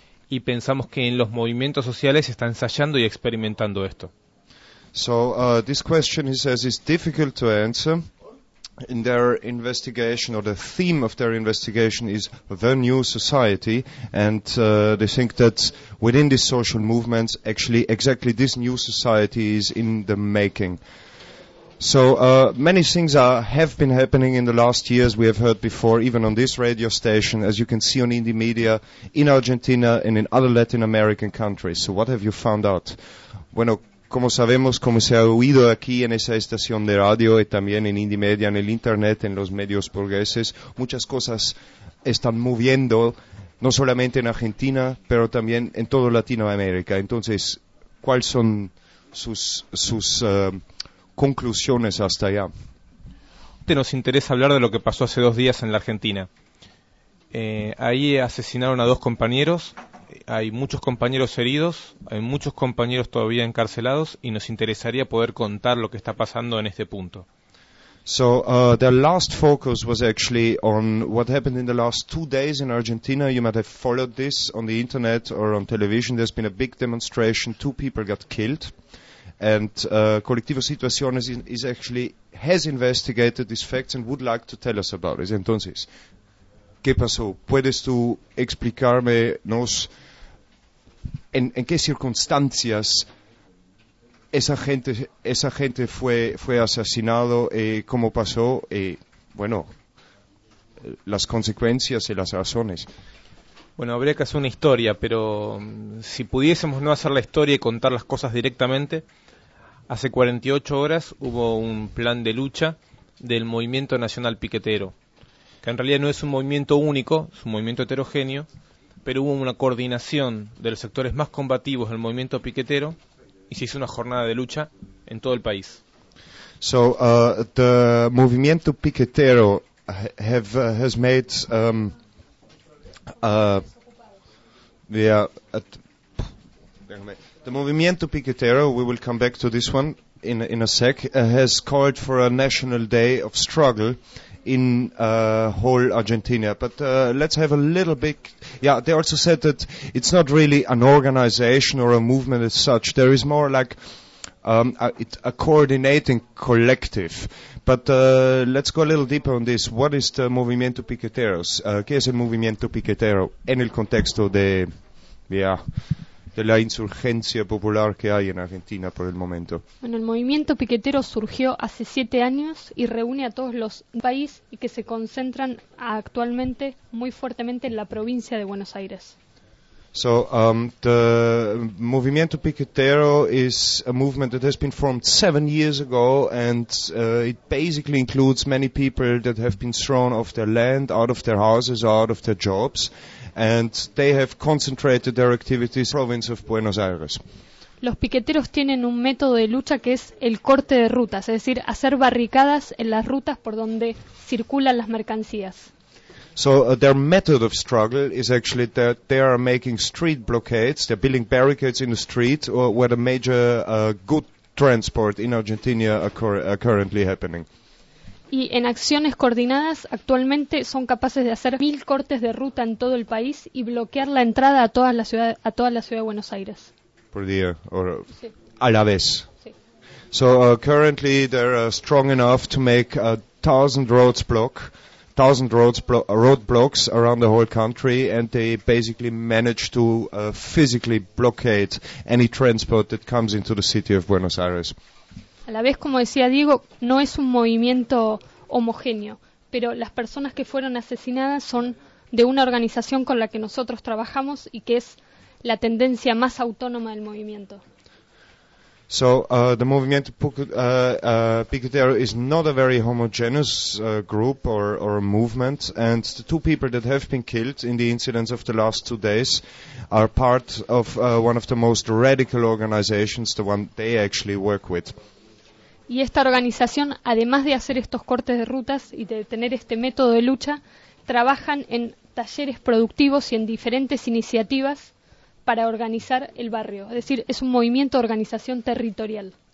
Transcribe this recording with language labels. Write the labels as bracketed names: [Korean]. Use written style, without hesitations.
[Spanish] Y pensamos que en los movimientos sociales se está ensayando y experimentando esto. [English] So, this question, he says, is difficult to answer. In their investigation, or the theme of their investigation is the new society. And they think that within these social movements, actually, exactly this new society is in the making. So, many things have been happening in the last years, we have heard before, even on this radio station, as you can see on indie media, in Argentina and in other Latin American countries. So, what have you found out? [Spanish] Bueno, como sabemos, como se ha oído aquí en esa estación de radio, y también en indie media, en el internet, en los medios burgueses, muchas cosas están moviendo, no solamente en Argentina, pero también en toda Latinoamérica. Entonces, ¿cuáles son sus conclusiones hasta allá? Nos interesa hablar de lo que pasó hace dos días en la Argentina. Ahí asesinaron a dos compañeros, hay muchos compañeros heridos, hay muchos compañeros todavía encarcelados y nos interesaría poder contar lo que está pasando en este punto. [English] So, the last focus was actually on what happened in the last two days in Argentina. You might have followed this on the internet or on television. There's been a big demonstration, two people got killed. And Colectivo Situaciones has investigated these facts and would like to tell us about it. [Spanish] Entonces, ¿qué pasó? ¿Puedes tú explicarnos en qué circunstancias esa gente fue asesinado, cómo pasó, bueno, las consecuencias y las razones? Bueno, habría que hacer una historia, pero si pudiésemos no hacer la historia y contar las cosas directamente. Hace 48 horas hubo un plan de lucha del Movimiento Nacional Piquetero, que en realidad no es un movimiento único, es un movimiento heterogéneo, pero hubo una coordinación de los sectores más combativos del movimiento piquetero y se hizo una jornada de lucha en todo el país. [English] So, the Movimiento Piquetero has made the Movimiento Piquetero, we will come back to this one in a sec, has called for a national day of struggle in whole Argentina. But let's have a little bit. Yeah, they also said that it's not really an organization or a movement as such. There is more like a coordinating collective. But let's go a little deeper on this. What is the Movimiento Piquetero? [Spanish] ¿Qué es el Movimiento Piquetero en el contexto de, de la insurgencia popular que hay en Argentina por el momento? Bueno, el movimiento piquetero surgió hace 7 años y reúne a todos los país y que se concentran actualmente muy fuertemente en la provincia de Buenos Aires. [English] So the Movimiento Picotero is a movement that has been formed 7 years ago, and it basically includes many people that have been thrown off their land, out of their houses, out of their jobs, and they have concentrated their activities in the province of Buenos Aires. [Spanish] Los piqueteros tienen un método de lucha que es el corte de rutas, es decir, hacer barricadas en las rutas por donde circulan las mercancías. [English] So their method of struggle is actually that they are making street blockades, they're building barricades in the street where the major good transport in Argentina are currently happening. [Spanish] Y en acciones coordinadas actualmente son capaces de hacer 1,000 cortes de ruta en todo el país y bloquear la entrada a toda la ciudad de Buenos Aires. Por día, a la vez. [English] So currently they're strong enough to make 1,000 roadblocks around the whole country, and they basically manage to physically blockade any transport that comes into the city of Buenos Aires. [Spanish] A la vez, como decía Diego, no es un movimiento homogéneo, pero las personas que fueron asesinadas son de una organización con la que nosotros trabajamos y que es la tendencia más autónoma del movimiento. [English] So the Movimiento Picotero is not a very homogeneous group or a movement, and the two people that have been killed in the incidents of the last 2 days are part of one of the most radical organizations, the one they actually work with. [Spanish] Y esta organización, además de hacer estos cortes de rutas y de tener este método de lucha, trabajan en talleres productivos y en diferentes iniciativas para organizar el barrio, es decir, es un movimiento de organización territorial.